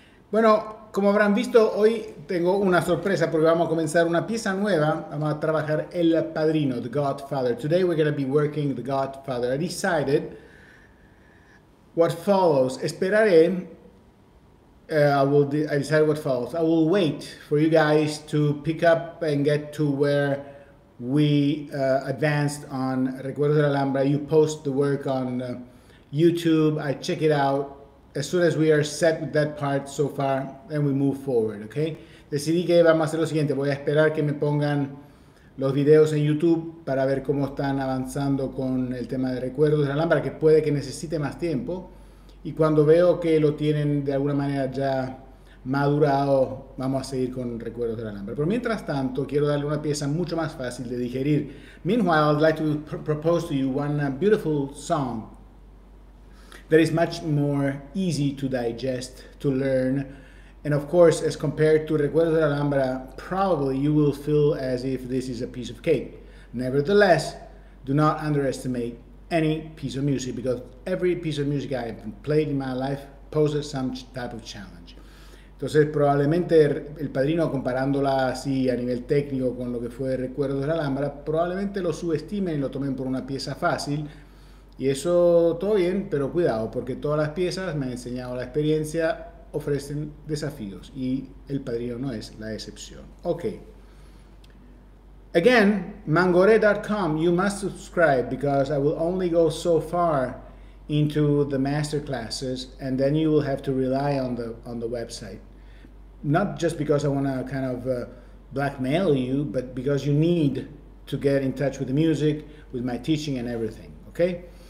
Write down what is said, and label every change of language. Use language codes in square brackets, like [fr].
[es] Bueno, como habrán visto, hoy tengo una sorpresa porque vamos a comenzar una pieza nueva. Vamos a trabajar El Padrino, The Godfather. [en] Today we're going to be working The Godfather. I decided what follows. [es] Esperaré. [en] I decided what follows. I will wait for you guys to pick up and get to where we advanced on Recuerdos de la Alhambra. You post the work on YouTube. I check it out as soon as we are set with that part so far, and we move forward, okay? [es] Decidí que vamos a hacer lo siguiente. Voy a esperar que me pongan los videos en YouTube para ver cómo están avanzando con el tema de Recuerdos de la Alhambra, que puede que necesite más tiempo. Y cuando veo que lo tienen de alguna manera ya madurado, vamos a seguir con Recuerdos de la Alhambra. Pero mientras tanto, quiero darle una pieza mucho más fácil de digerir. [en] Meanwhile, I'd like to propose to you one beautiful song that is much more easy to digest, to learn. And of course, as compared to Recuerdos de la Alhambra, probably you will feel as if this is a piece of cake. Nevertheless, do not underestimate any piece of music, because every piece of music I've played in my life poses some type of challenge. [es] Entonces, probablemente El Padrino, comparándola así a nivel técnico con lo que fue Recuerdos de la Alhambra, probablemente lo subestimen y lo tomen por una pieza fácil. Y eso todo bien, pero cuidado, porque todas las piezas, me ha enseñado la experiencia, ofrecen desafíos. Y El Padrino no es la excepción. Ok. [en] Again, mangore.com, you must subscribe because I will only go so far into the masterclasses, and then you will have to rely on the website. Not just because I want to kind of blackmail you, but because you need to get in touch with the music, with my teaching and everything, okay?